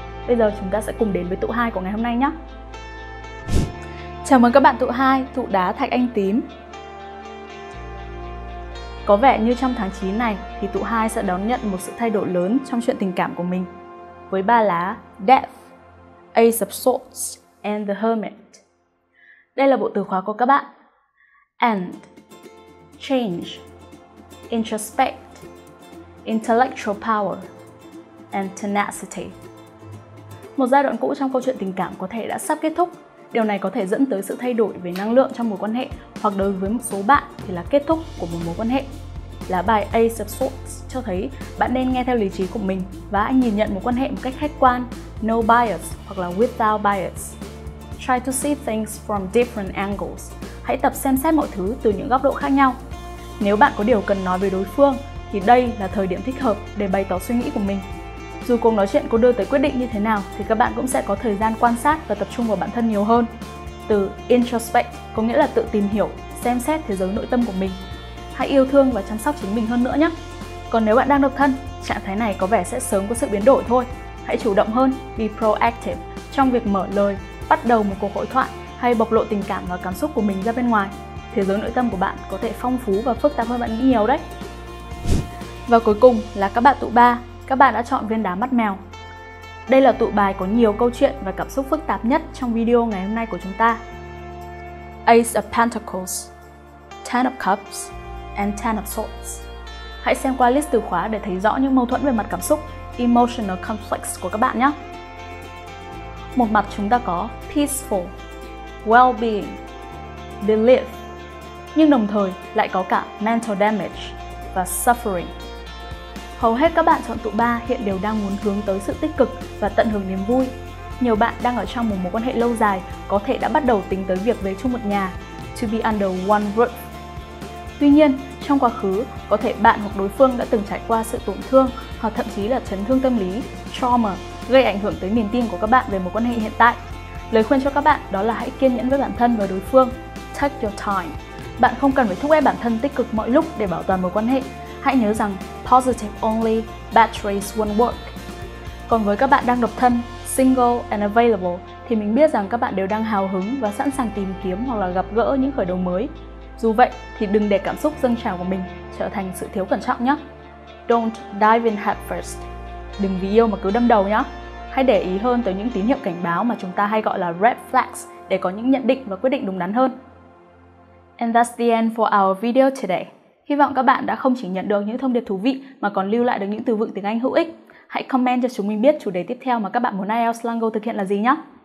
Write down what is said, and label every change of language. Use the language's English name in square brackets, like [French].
[Vietnamese] Bây giờ chúng ta sẽ cùng đến với tụ 2 của ngày hôm nay nhé. Chào mừng các bạn tụ 2, tụ đá thạch anh tím. Có vẻ như trong tháng 9 này thì tụ 2 sẽ đón nhận một sự thay đổi lớn trong chuyện tình cảm của mình. Với ba lá Death, Ace of Swords and the Hermit. Đây là bộ từ khóa của các bạn. [English] And, change, introspect, intellectual power and tenacity. [Vietnamese] Một giai đoạn cũ trong câu chuyện tình cảm có thể đã sắp kết thúc. Điều này có thể dẫn tới sự thay đổi về năng lượng trong mối quan hệ hoặc đối với một số bạn thì là kết thúc của một mối quan hệ. Lá bài Ace of Swords cho thấy bạn nên nghe theo lý trí của mình và hãy nhìn nhận mối quan hệ một cách khách quan, [English] no bias [Vietnamese] hoặc là [English] without bias. Try to see things from different angles. [Vietnamese] Hãy tập xem xét mọi thứ từ những góc độ khác nhau. Nếu bạn có điều cần nói với đối phương thì đây là thời điểm thích hợp để bày tỏ suy nghĩ của mình. Dù cuộc nói chuyện có đưa tới quyết định như thế nào thì các bạn cũng sẽ có thời gian quan sát và tập trung vào bản thân nhiều hơn. Từ introspect có nghĩa là tự tìm hiểu, xem xét thế giới nội tâm của mình. Hãy yêu thương và chăm sóc chính mình hơn nữa nhé. Còn nếu bạn đang độc thân, trạng thái này có vẻ sẽ sớm có sự biến đổi thôi. Hãy chủ động hơn, [English] be proactive [Vietnamese] trong việc mở lời, bắt đầu một cuộc hội thoại hay bộc lộ tình cảm và cảm xúc của mình ra bên ngoài. Thế giới nội tâm của bạn có thể phong phú và phức tạp hơn bạn nghĩ nhiều đấy. Và cuối cùng là các bạn tụ 3. Các bạn đã chọn viên đá mắt mèo. Đây là tụ bài có nhiều câu chuyện và cảm xúc phức tạp nhất trong video ngày hôm nay của chúng ta. [English] Ace of Pentacles, Ten of Cups and Ten of Swords. [Vietnamese] Hãy xem qua list từ khóa để thấy rõ những mâu thuẫn về mặt cảm xúc, [English] emotional conflicts [Vietnamese] của các bạn nhé. Một mặt chúng ta có [English] peaceful, well-being, belief, [Vietnamese] nhưng đồng thời lại có cả [English] mental damage [Vietnamese] và suffering. Hầu hết các bạn chọn tụ 3 hiện đều đang muốn hướng tới sự tích cực và tận hưởng niềm vui. Nhiều bạn đang ở trong một mối quan hệ lâu dài có thể đã bắt đầu tính tới việc về chung một nhà, [English] to be under one roof. [Vietnamese] Tuy nhiên, trong quá khứ, có thể bạn hoặc đối phương đã từng trải qua sự tổn thương hoặc thậm chí là chấn thương tâm lý, trauma, gây ảnh hưởng tới niềm tin của các bạn về mối quan hệ hiện tại. Lời khuyên cho các bạn đó là hãy kiên nhẫn với bản thân và đối phương. [English] Take your time. [Vietnamese] Bạn không cần phải thúc ép bản thân tích cực mọi lúc để bảo toàn mối quan hệ. Hãy nhớ rằng, [English] positive only, batteries won't work. [Vietnamese] Còn với các bạn đang độc thân, [English] single and available, [Vietnamese] thì mình biết rằng các bạn đều đang hào hứng và sẵn sàng tìm kiếm hoặc là gặp gỡ những khởi đầu mới. Dù vậy, thì đừng để cảm xúc dâng trào của mình trở thành sự thiếu cẩn trọng nhé. [English] Don't dive in head first. [Vietnamese] Đừng vì yêu mà cứ đâm đầu nhé. hãy để ý hơn tới những tín hiệu cảnh báo mà chúng ta hay gọi là red flags để có những nhận định và quyết định đúng đắn hơn. [English] And that's the end for our video today. [Vietnamese] Hy vọng các bạn đã không chỉ nhận được những thông điệp thú vị mà còn lưu lại được những từ vựng tiếng Anh hữu ích. Hãy comment cho chúng mình biết chủ đề tiếp theo mà các bạn muốn IELTS Lango thực hiện là gì nhé.